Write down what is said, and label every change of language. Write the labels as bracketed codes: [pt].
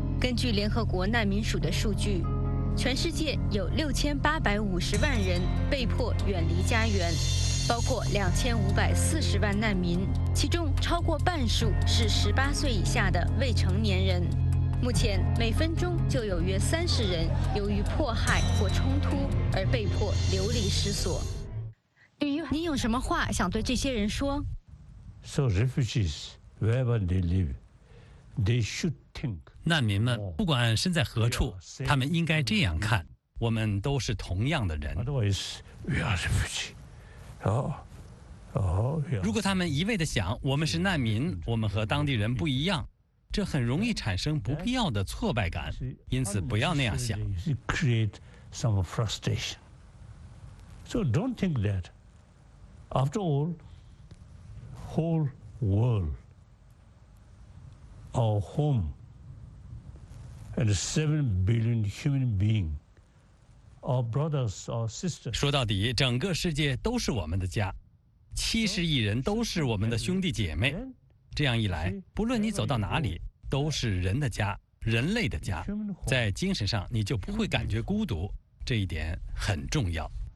[zh] 根据联合国难民署的数据，全世界有6850万人被迫远离家园，包括2540万难民，其中超过半数是18岁以下的未成年人。目前每分钟就有约30人由于迫害或冲突而被迫流离失所。你有什么话想对这些人说 [en] ？So refugees, wherever they live, they should think. [zh] 难民们不管身在何处，他们应该这样看：我们都是同样的人。 [en] Otherwise, we are refugees. Oh, [zh] 如果他们一味地想我们是难民，我们和当地人不一样。这很容易产生不必要的挫败感，因此不要那样想。 [en] Create some frustration. So don't think that. After all, whole world, our home, and 7 billion human beings, our brothers, our sisters. [zh] 说到底，整个世界都是我们的家，70亿人都是我们的兄弟姐妹。这样一来，不论你走到哪里。都是人的家，人类的家，在精神上你就不会感觉孤独，这一点很重要。